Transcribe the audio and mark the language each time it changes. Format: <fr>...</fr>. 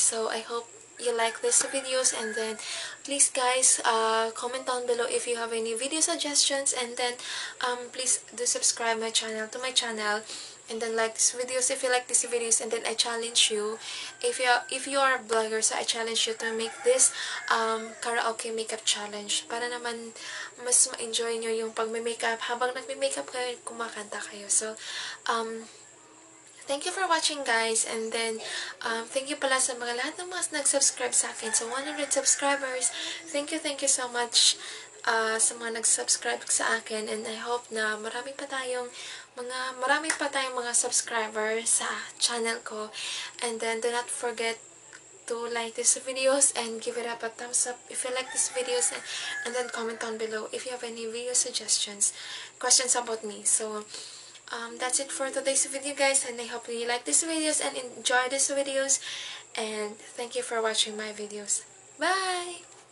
<en>So, I hope you like this videos, and then please, guys, comment down below if you have any video suggestions, and then please do subscribe to my channel, and then like this videos if you like this videos, and then I challenge you, if you are a blogger, so I challenge you to make this karaoke makeup challenge para naman mas ma-enjoy nyo yung pag-makeup habang nag-makeup kayo, kumakanta kayo. So thank you for watching, guys.</en> <tl>And then, thank you pala sa mga lahat ng mga nag-subscribe sa akin.</tl> <en>So, 100 subscribers. Thank you so much</en> <tl>sa mga nag-subscribe sa akin.</tl> <en>And I hope</en> <tl>na marami pa tayong mga subscribers sa channel ko.</tl> <en>And then, do not forget to like this videos and give it up a thumbs up if you like this videos. And then, comment down below if you have any video suggestions, questions about me. So, that's it for today's video, guys, and I hope you like these videos and enjoy these videos, and thank you for watching my videos. Bye!</en>